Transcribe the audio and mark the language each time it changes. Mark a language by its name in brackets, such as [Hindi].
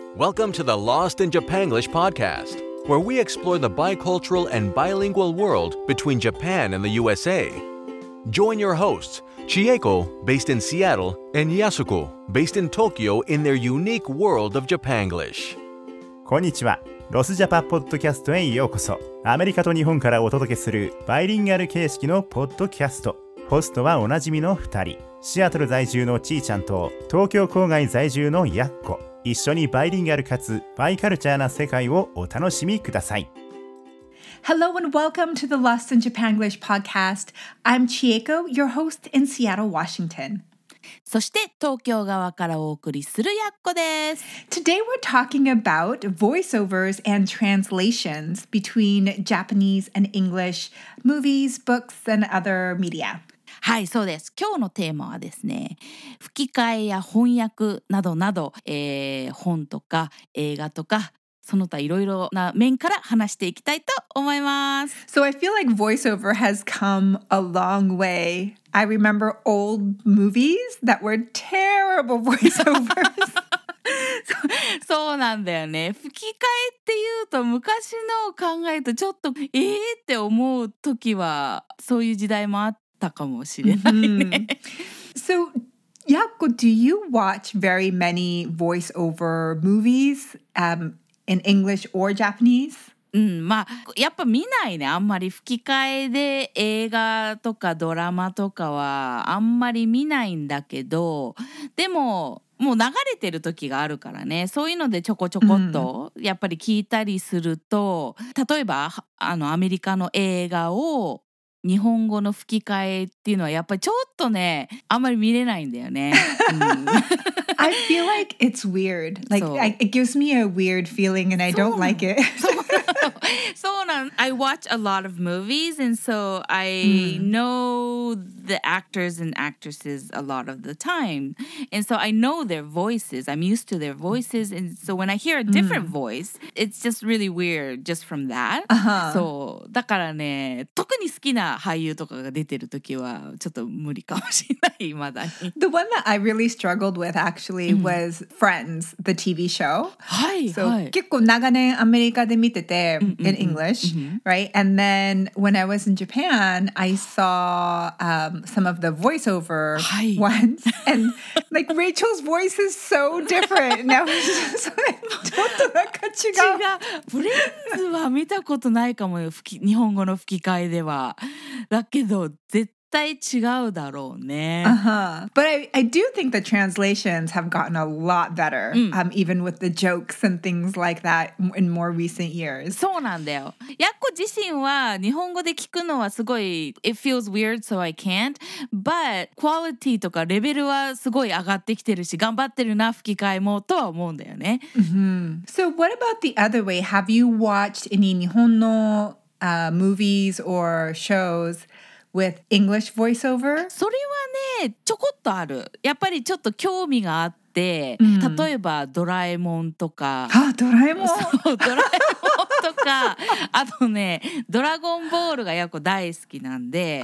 [English] Welcome to the Lost in Japanglish podcast, where we explore the bicultural and bilingual world between Japan and the USA. Join your hosts, Chieko, based in Seattle, and Yasuko, based in Tokyo, in their unique world of Japanglish. [Japanese] Konnichiwa. ロスジャパポッドキャストへようこそ。アメリカと日本からお届けするバイリンガル形式のポッドキャスト。ホストはおなじみの2人、シアトル在住のちーちゃんと東京郊外在住のやっこ。一緒にバイリンガルかつバイカルチャーな世界をお楽しみください。 [English] Hello and welcome to the Lost in Japanglish podcast. I'm Chieko, your host in Seattle, Washington. [Japanese] そして東京側からお送りするやっこです。 [English] Today we're talking about voiceovers and translations between Japanese and English movies, books and other media. [Japanese] はい、そうです。今日のテーマはですね、吹き替えや翻訳などなど、本とか映画とかその他いろいろな面から話していきたいと思います。 [English] So I feel like voiceover has come a long way. I remember old movies that were terrible voiceovers. [Japanese] そうなんだよね。吹き替えっていうと昔のを考えるとちょっとえーって思う時はそういう時代もあったかもしれないね。 Mm-hmm. [English] So Yakko, do you watch very many voiceover movies? In English or Japanese? [Japanese] うん、まあやっぱ見ないね。あんまり吹き替えで映画とかドラマとかはあんまり見ないんだけど、でももう流れてる時があるからね。そういうのでちょこちょこっとやっぱり聞いたりすると、うん、例えばあのアメリカの映画を日本語の吹き替えっていうのはやっぱりちょっとねあんまり見れないんだよね。うん、 [English] I feel like it's weird. Like, it gives me a weird feeling and I don't like it. So, I watch a lot of movies and so I know the actors and actresses a lot of the time. And so I know their voices. I'm used to their voices. And so when I hear a different voice, it's just really weird just from that. [Japanese] So, だからね、特に好きな俳優とかが出てる時はちょっと無理かもしれない、未だに。 [English] The one that I really struggled with actually was Friends, the TV show. So, [Japanese] 結構長年アメリカで見てて、 [English] in English, right? And then when I was in Japan, I saw some of the voiceover ones. And like Rachel's voice is so different. And I was just like, [Japanese] ちょっとなんか違う。フレンズは見たことないかもよ、日本語の吹き替えでは。だけど、絶対 [English] But I do think the translations have gotten a lot better, even with the jokes and things like that in more recent years. [Japanese] そうなんだよ。やっこ自身は日本語で聞くのはすごい、 [English] it feels weird, so I can't. [Japanese] But quality とかレベルはすごい上がってきてるし、頑張ってるな吹き替えもとは思うんだよね。 [English] So what about the other way? Have you watched any [Japanese] 日本の [English] movies or shows? With English voiceover? [Japanese] それはね、ちょこっとある。やっぱりちょっと興味があって、例えばドラえもんとか。あ、ドラえもん。そう、ドラえもんとか。あとね、ドラゴンボールがやっこ大好きなんで。